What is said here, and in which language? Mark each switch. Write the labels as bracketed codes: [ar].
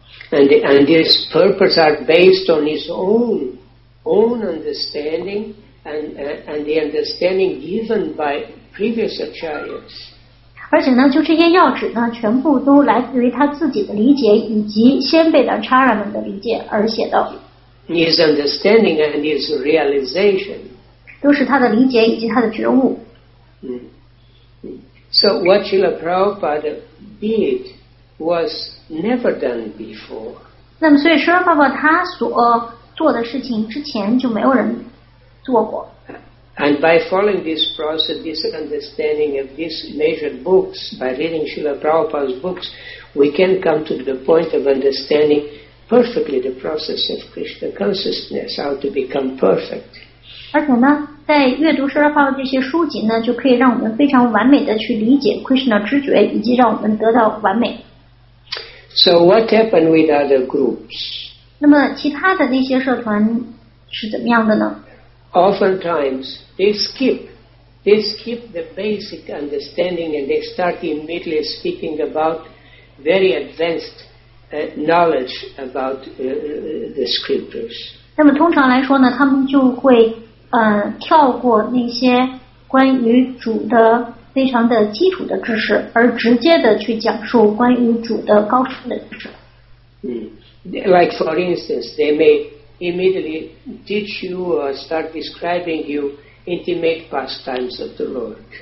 [en] And his purpose are based on his own understanding and the understanding given by previous acharyas. [zh] 而且呢，就这些要旨呢，全部都来自于他自己的理解以及先辈的 Acharya 们的理解而写的。 [en] His understanding and his realization. [zh] 都是他的理解以及他的觉悟。 [en] So what Srila Prabhupada did was never done before. [zh] 那么所以 Srila Prabhupada 他所做的事情之前就没有人做过。 [en] And by following this process, this understanding of these major books, by reading Srila Prabhupada's books, we can come to the point of understanding perfectly the process of Krishna consciousness, how to become perfect. [zh] 而且呢，在阅读Srila Prabhupada这些书籍呢，就可以让我们非常完美的去理解 Krishna 知觉，以及让我们得到完美。 [en] So what happened with other groups? [zh] 那么其他的那些社团是怎么样的呢？ [en] Oftentimes, they skip the basic understanding and they start immediately speaking about very advanced knowledge about the scriptures. [zh] 那么通常来说呢，他们就会跳过那些关于主的非常的基础的知识，而直接的去讲述关于主的高深的知识。 [en] Like for instance, they may. Immediately teach you or start describing you intimate pastimes of the Lord.